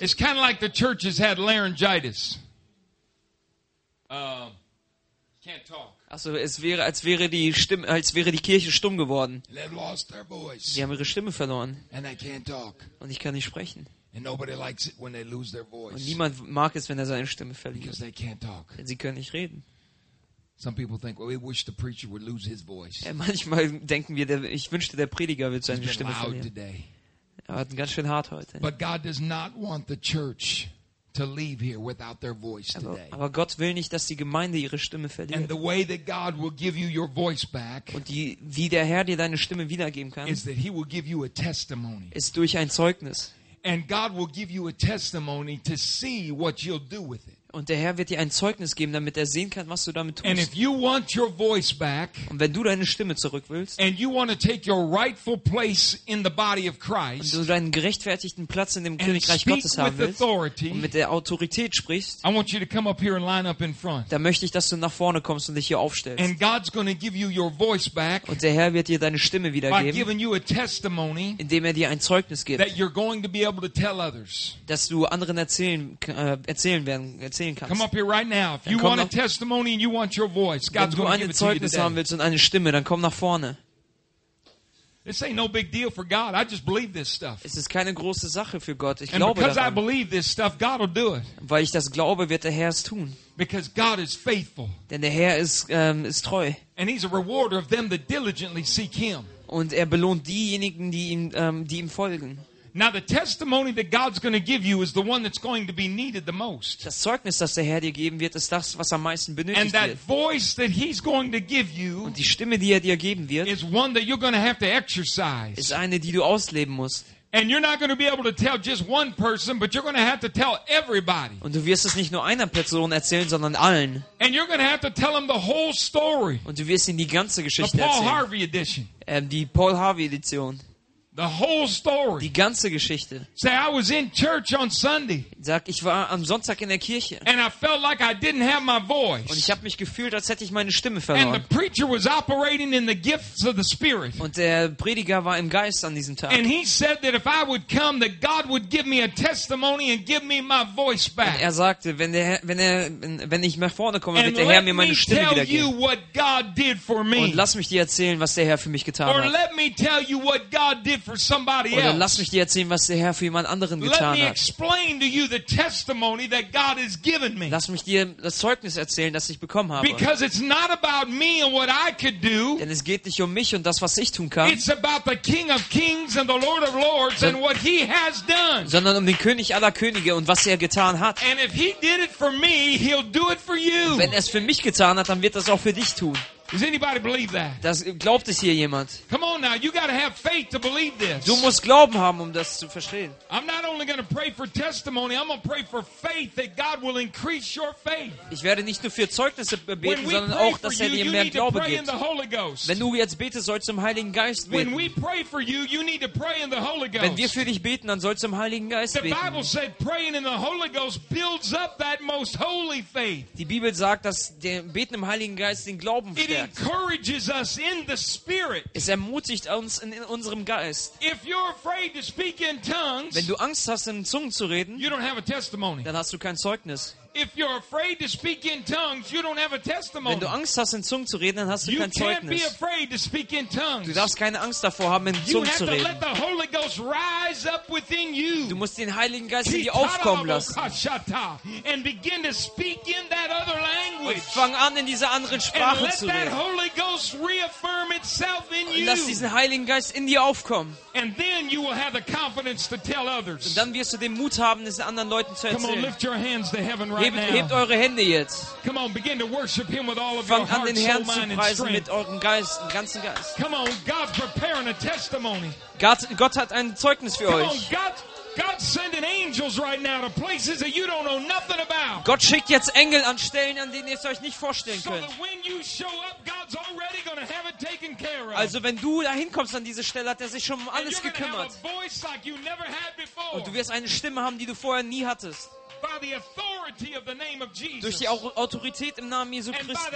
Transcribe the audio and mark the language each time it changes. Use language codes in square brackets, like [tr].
[en] it's kind of like the church has had laryngitis. Can't talk. [de] Also, es wäre, als wäre die Stimme, als wäre die Kirche stumm geworden. [en] They lost their voice. [de] Die haben ihre Stimme verloren. [en] And they can't talk. [de] Und ich kann nicht sprechen. [en] And nobody likes it when they lose their voice. [de] Und niemand mag es, wenn er seine Stimme verliert. [en] Because they can't talk. [de] Denn sie können nicht reden. [en] Some people think, well, we wish the preacher would lose his voice. [de] Ja, manchmal denken wir, ich wünschte, der Prediger würde seine [en] He's [de] Stimme verlieren. [en] Today. [de] Er hat ganz schön hart heute. [en] But God does not want the church to leave here without their voice today. [de] Aber Gott will nicht, dass die Gemeinde ihre Stimme verliert. [en] And the way that God will give you your voice back, [de] und die, wie der Herr dir deine Stimme wiedergeben kann, [en] is that he will give you a testimony. [de] Ist durch ein Zeugnis. [en] And God will give you a testimony to see what you'll do with it. [de] Und der Herr wird dir ein Zeugnis geben, damit er sehen kann, was du damit tust. [en] And if you want your voice back, [de] und wenn du deine Stimme zurück willst, [en] and you want to take your rightful place in the body of Christ, [de] und du deinen gerechtfertigten Platz in dem Königreich Gottes haben willst, [en] authority, [de] und mit der Autorität sprichst, [en] I want you to come up here and line up in front. [de] Dann möchte ich, dass du nach vorne kommst und dich hier aufstellst. [en] And God's going to give you your voice back, [de] und der Herr wird dir deine Stimme wiedergeben, [en] by giving you a testimony, [de] indem er dir ein Zeugnis gibt, [en] that you're going to be able to tell others, [de] dass du anderen erzählen werden. [en] Come up here right now. If you want a testimony and you want your voice, God's going to give it to you today. [de] Wenn du ein Zeugnis haben willst und eine Stimme, dann komm nach vorne. [en] This ain't no big deal for God. I just believe this stuff. [de] Es ist keine große Sache für Gott. Ich glaube daran. [en] And because I believe this stuff, God will do it. [de] Weil ich das glaube, wird der Herr es tun. [en] Because God is faithful. [de] Denn der Herr ist ist treu. [en] And He's a rewarder of them that diligently seek Him. [de] Und er belohnt diejenigen, die ihm folgen. [en] Now the testimony that God's going to give you is the one that's going to be needed the most. [de] Das Zeugnis, das der Herr dir geben wird, ist das, was am meisten benötigt wird. [en] And that voice that He's going to give you, [de] und die Stimme, die er dir geben wird, [en] is one that you're going to have to exercise. [de] Ist eine, die du ausleben musst. [en] And you're not going to be able to tell just one person, but you're going to have to tell everybody. [de] Und du wirst es nicht nur einer Person erzählen, sondern allen. [en] And you're going to have to tell them the whole story. [de] Und du wirst ihnen die ganze Geschichte erzählen. [en] The Paul Harvey edition. [de] Die Paul Harvey Edition. [en] The whole story. [de] Die ganze Geschichte. [en] Say I was in church on Sunday. [de] Sag, ich war am Sonntag in der Kirche. [en] And I felt like I didn't have my voice. [de] Und ich habe mich gefühlt, als hätte ich meine Stimme verloren. [en] And the preacher was operating in the gifts of the Spirit. [de] Und der Prediger war im Geist an diesem Tag. [en] And he said that if I would come, that God would give me a testimony and give me my voice back. [de] Und er sagte, wenn ich nach vorne komme, wird der Herr mir meine Stimme wiedergeben. [en] And let me tell you what God did for me. [de] Und lass mich dir erzählen, was der Herr für mich getan hat. [en] Or let me tell you what God did for somebody else. [de] Oder lass mich dir erzählen, was der Herr für jemand anderen getan hat. [en] Let me explain to you the testimony that God has given me. [de] Lass mich dir das Zeugnis erzählen, das ich bekommen habe. [en] Because it's not about me and what I could do. [de] Denn es geht nicht um mich und das, was ich tun kann. [en] It's about the King of Kings and the Lord of Lords and what He has done. [de] Sondern um den König aller Könige und was er getan hat. [en] And if He did it for me, He'll do it for you. [de] Und wenn er es für mich getan hat, dann wird das auch für dich tun. [en] Does anybody believe that? [de] Das glaubt es hier jemand? [en] Come on now, you got to have faith to believe this. [de] Du musst Glauben haben, um das zu verstehen. [en] I'm not only going to pray for testimony, I'm going to pray for faith that God will increase your faith. [de] Ich werde nicht nur für Zeugnisse beten, sondern auch, dass er dir mehr Glaube gibt. [en] In the Holy Ghost. [de] Wenn du jetzt betest, sollst du im Heiligen Geist beten. [en] When we pray for you, you need to pray in the Holy Ghost. [de] Wenn wir für dich beten, dann sollst du im Heiligen Geist beten. [en] The Bible said praying in the Holy Ghost builds up that most holy faith. [de] Die Bibel sagt, dass der Beten im Heiligen Geist den Glauben stärkt. [en] Encourages us in the spirit. [de] Es ermutigt uns in unserem Geist. [en] If you're afraid to speak in tongues, [de] wenn du Angst hast, in Zungen zu reden, [en] you don't have a testimony. [de] Dann hast du kein Zeugnis. [en] If you're afraid to speak in tongues, you don't have a testimony. [de] Wenn du Angst hast, in Zungen zu reden, dann hast du kein Zeugnis. [en] You can't be afraid to speak in tongues. [de] Du darfst keine Angst davor haben, in Zungen zu reden. [en] You have to let the Holy Ghost rise up within you. [de] Du musst den Heiligen Geist in dir aufkommen lassen. [en] And begin to speak in that other language. [de] Und fang an, in dieser anderen Sprache zu reden. [en] And let that Holy Ghost reaffirm itself in you. [de] Und lass diesen Heiligen Geist in dir aufkommen. [en] And then you will have the confidence to tell others. [de] Und dann wirst du den Mut haben, es anderen Leuten zu erzählen. [en] Come on, lift your hands to heaven right now. [de] Hebt eure Hände jetzt. [en] Come on, begin to worship him with all of [de] Fang [en] your heart, [de] Herrn [en] soul, mind, [de] zu preisen mit eurem Geist, dem ganzen Geist. [en] Come on, God's preparing a testimony. [de] Gott hat ein Zeugnis für [en] Come [de] euch. [en] On, God's sending angels right now to places that you don't know nothing about. [de] Gott schickt jetzt Engel an Stellen, an denen ihr es euch nicht vorstellen könnt. [en] So that when you show up, God's already going to have it taken care of. [de] Also wenn du da hinkommst an diese Stelle, hat er sich schon um alles gekümmert. [en] And you're gonna have a voice like you never had before. [de] Und du wirst eine Stimme haben, die du vorher nie hattest. [en] By the authority of the name of Jesus. [de] Durch die Autorität im Namen Jesu Christi.